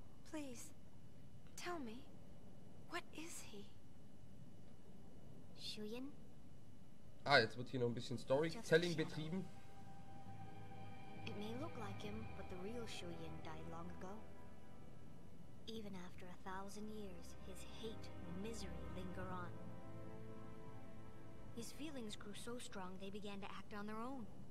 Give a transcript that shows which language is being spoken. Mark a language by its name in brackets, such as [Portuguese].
[English] Please, tell me, what is he? Shuyin? [German] Ah, jetzt wird hier noch ein bisschen Storytelling betrieben. [English] It may look like him, but the real Shuyin died long ago. Even after a thousand years, his hate and misery linger on. His feelings grew so strong they began to act on their own.